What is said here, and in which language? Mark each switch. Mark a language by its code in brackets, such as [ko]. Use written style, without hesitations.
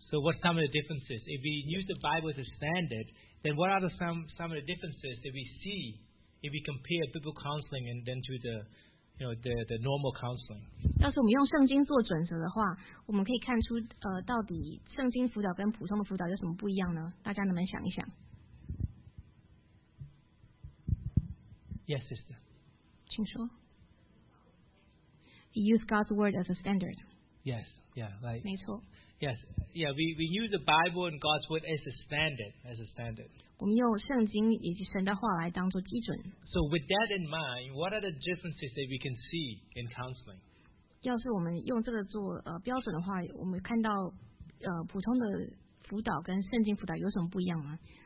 [en] So what's some of the differences? If we use the Bible as a standard, then what are the some of the differences that we see if we compare biblical counseling and then to the you know the normal counseling? [zh] 要是我们用圣经做准则的话，我们可以看出 到底圣经辅导跟普通的辅导有什么不一样呢？大家能不能想一想？ [en] Yes, sister. [zh] 请说。 [en] Use God's word as a standard. Yes, yeah, right. [zh] 没错. [en] Yes, yeah, we use the Bible and God's word as a standard. As a standard. [zh] 我们用圣经以及神的话来当作基准. [en] So with that in mind, what are the differences that we can see in counseling? [zh] 要是我们用这个做 标准的话, 我们看到 普通的辅导跟圣经辅导有什么不一样吗?